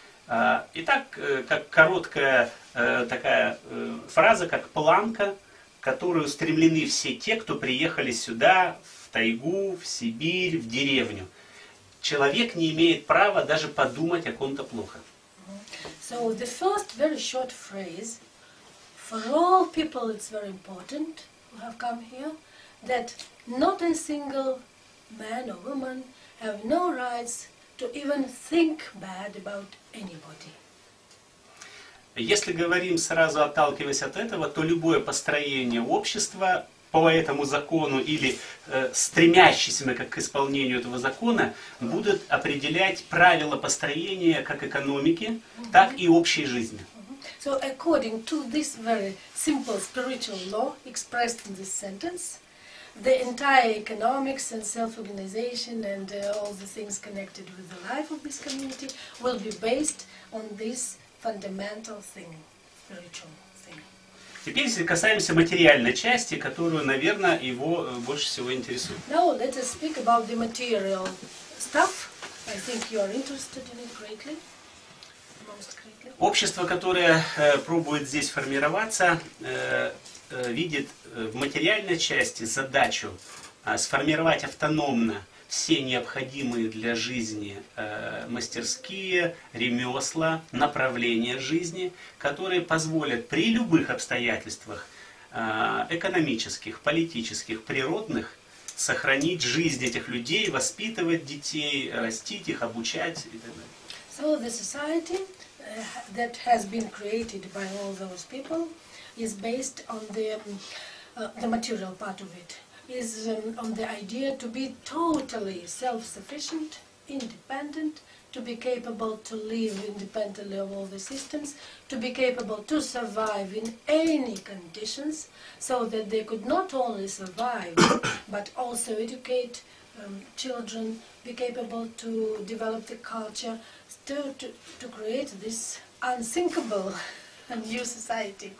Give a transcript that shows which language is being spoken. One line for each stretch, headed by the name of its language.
Russian: Итак, как короткая такая фраза, как планка, которую стремлены все те, кто приехали сюда, в тайгу, в Сибирь, в деревню. Человек не имеет права даже подумать о ком-то плохо.
English: So the first very short phrase, for all people it's very important, who have come here, that not a single man or woman have no rights to even think bad about anybody.
Russian: Если говорим сразу, отталкиваясь от этого, то любое построение общества по этому закону или стремящееся как к исполнению этого закона будет определять правила построения как экономики, так и общей жизни.
English: So according to this very simple spiritual law expressed in this sentence, the entire economics and self-organization and all the things connected with the life of this community will be based on this fundamental thing, spiritual thing.
Russian: Теперь касаемся материальной части, которую, наверное, его больше всего интересует.
English: Now let us speak about the material stuff. I think you are interested in it greatly.
Russian: Общество, которое пробует здесь формироваться, видит в материальной части задачу сформировать автономно все необходимые для жизни мастерские, ремесла, направления жизни, которые позволят при любых обстоятельствах экономических, политических, природных сохранить жизнь этих людей, воспитывать детей, растить их, обучать и так далее.
English: So the society that has been created by all those people is based on the material part of it. Is on the idea to be totally self-sufficient, independent, to be capable to live independently of all the systems, to be capable to survive in any conditions, so that they could not only survive, but also educate children, be capable to develop the culture, to create this unthinkable new society.